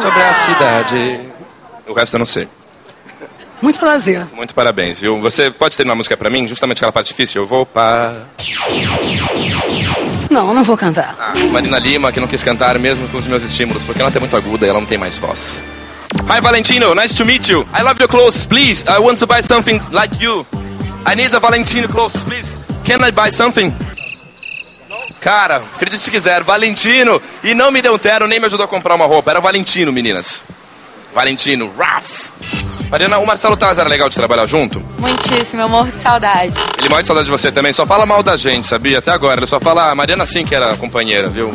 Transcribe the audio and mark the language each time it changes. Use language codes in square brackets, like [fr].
[pt] Sobre a cidade. O resto eu não sei. Muito prazer. Muito parabéns, viu? Você pode ter uma música pra mim? Justamente aquela parte difícil. Eu vou Não vou cantar. Marina Lima, que não quis cantar mesmo com os meus estímulos, porque ela é muito aguda e ela não tem mais voz. [en] Hi, Valentino. Nice to meet you. I love your clothes, please. I want to buy something like you. I need a Valentino clothes, please. Can I buy something? [pt] Cara, acredite se quiser. Valentino. E não me deu um terno, nem me ajudou a comprar uma roupa. Era Valentino, meninas. Valentino. Raps. Mariana, o Marcelo Taz era legal de trabalhar junto? Muitíssimo, eu morro de saudade. Ele morre de saudade de você também, só fala mal da gente, sabia? Até agora, ele só fala, a Mariana sim que era companheira, viu?